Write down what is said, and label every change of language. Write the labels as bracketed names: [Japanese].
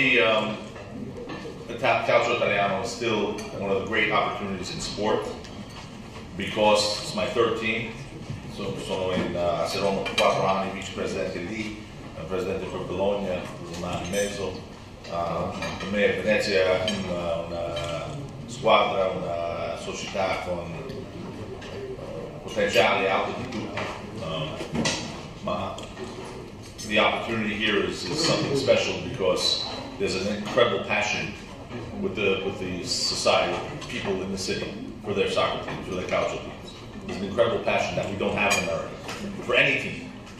[English] For me, [Italian] il calcio italiano [English] is still one of the great opportunities in sport, because it's my third team. [Italian] So sono in Roma 4 anni, vice presidente lì, presidente per Bologna per un anno e mezzo. Per me Venezia è una squadra, una società con potenziale alto di tutti. [English] Ma the opportunity here is something special, because there's an incredible passion with the society, people in the city, for their soccer team, for their calcio teams. There's an incredible passion that we don't have in America for any team.